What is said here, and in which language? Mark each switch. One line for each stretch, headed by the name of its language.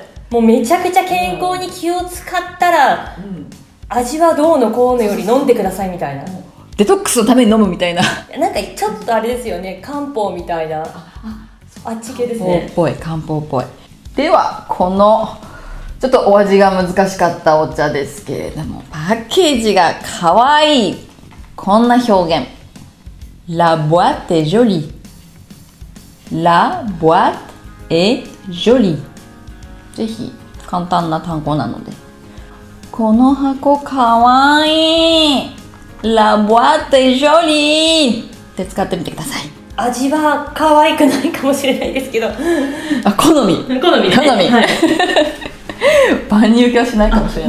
Japanese: もうめちゃくちゃ健康に気を使ったら、うん、味はどうのこうのより飲んでくださいみたいな。そうそうそう、デトックスのために飲むみたいな。なんかちょっとあれですよね、漢方みたいな。あっち系ですね。漢方っぽい。ではこのちょっとお味が難しかったお茶ですけれども、パッケージがかわいい。こんな表現、
French: La boîte est jolie、 La boîte est jolie。
Japanese: ぜひ簡単な単語なので、この箱かわいい、ラボアテジョリーって使ってみてください。味は可愛くないかもしれないですけど、あ、好み好み、ね、好み、はい、万人受けはしないかもしれない。